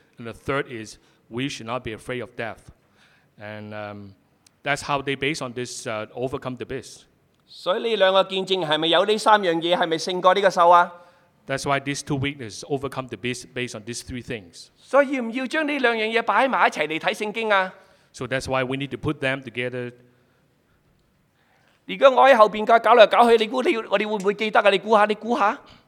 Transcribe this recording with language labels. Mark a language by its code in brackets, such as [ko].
[en] And the third is, we should not be afraid of death. And that's how they base on this overcome the beast. [zh] 所以这两个见证是不是有这三样东西是不是胜过这个兽啊? [en] That's why these two witnesses overcome the beast based on these three things. [zh] 所以要不要将这两样东西放在一起来看圣经啊? [en] So that's why we need to put them together. [zh] 如果我在后面搞来搞去, 你猜我们会不会记得啊? 你猜一下, 你猜一下。